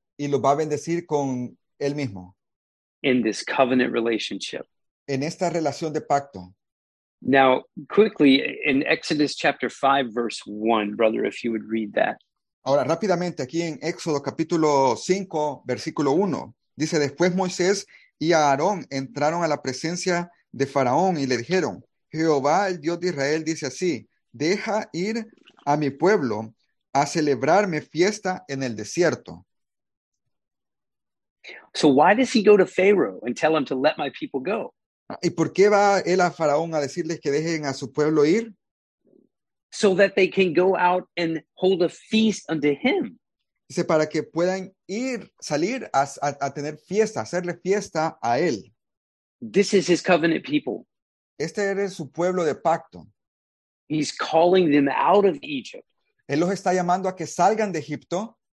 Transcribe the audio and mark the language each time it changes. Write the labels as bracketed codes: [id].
[es] Y los va a bendecir con él mismo. [en] In this covenant relationship. [es] En esta relación de pacto. [en] Now, quickly, in Exodus chapter 5, verse 1, brother, if you would read that. [es] Ahora, rápidamente, aquí en Éxodo capítulo 5, versículo 1, dice, después Moisés y Aarón entraron a la presencia de Faraón y le dijeron, Jehová, el Dios de Israel, dice así, deja ir a mi pueblo a celebrarme fiesta en el desierto. [en] So why does he go to Pharaoh and tell him to let my people go? [es] ¿Y por qué va él a Faraón a decirles que dejen a su pueblo ir? [en] So that they can go out and hold a feast unto him. [es] Dice, para que puedan ir, salir a tener fiesta, hacerle fiesta a él. [en] This is his covenant people. [es] Este era su pueblo de pacto. [en] He's calling them out of Egypt. [es] Él los está llamando a que salgan de Egipto.